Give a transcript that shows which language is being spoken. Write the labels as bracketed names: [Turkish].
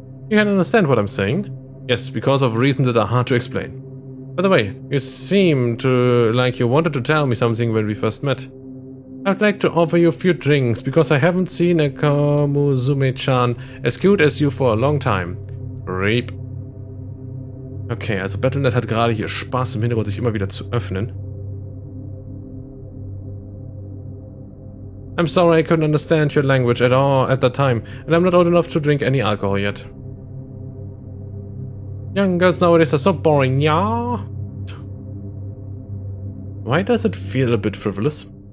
[English] You can understand what I'm saying? Yes, because of reasons that are hard to explain. By the way, you seem to like you wanted to tell me something when we first met. I'd like to offer you a few drinks, because I haven't seen a Kamuzume-chan as cute as you for a long time. Reap. [German] Okay, also Battle.net hat gerade hier Spaß im Hintergrund sich immer wieder zu öffnen. [English] I'm sorry I couldn't understand your language at all at that time, and I'm not old enough to drink any alcohol yet. Young girls nowadays are so boring, yeah. Why does it feel a bit frivolous?